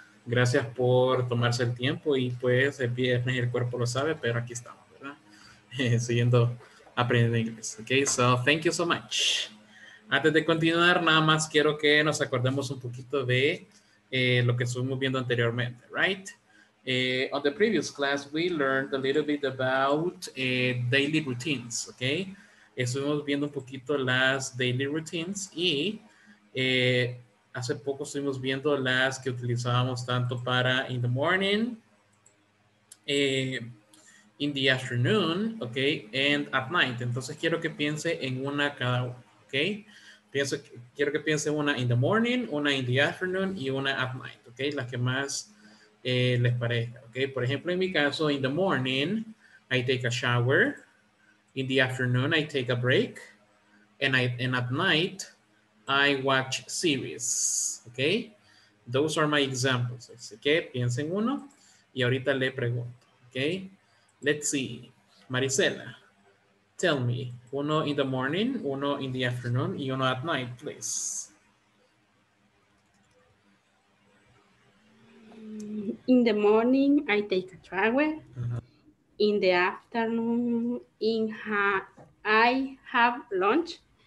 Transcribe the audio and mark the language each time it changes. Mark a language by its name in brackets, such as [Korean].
[Spanish] Gracias por tomarse el tiempo. Y pues el viernes el cuerpo lo sabe, pero aquí estamos, ¿verdad? Siguiendo aprender inglés. [English] Okay, so thank you so much. [Spanish] Antes de continuar, nada más quiero que nos acordemos un poquito de lo que estuvimos viendo anteriormente, right? [English] On the previous class, we learned a little bit about daily routines, okay? [Spanish] Estuvimos viendo un poquito las daily routines y hace poco estuvimos viendo las que utilizábamos tanto para [English] in the morning, in the afternoon, okay, and at night. [Spanish] Entonces quiero que piense en una cada uno, okay? Quiero que piense una in the morning, una in the afternoon y una at night, okay? Las que más les parezca, okay? Por ejemplo, en mi caso, [English] in the morning, I take a shower. In the afternoon, I take a break. And at night, I watch series, okay? Those are my examples. [Spanish] Así que piense en uno y ahorita le pregunto, okay? [English] Let's see, Marisela, tell me, uno in the morning, uno in the afternoon, y uno at night, please. In the morning, I take a shower. Uh-huh. In the afternoon, I have lunch.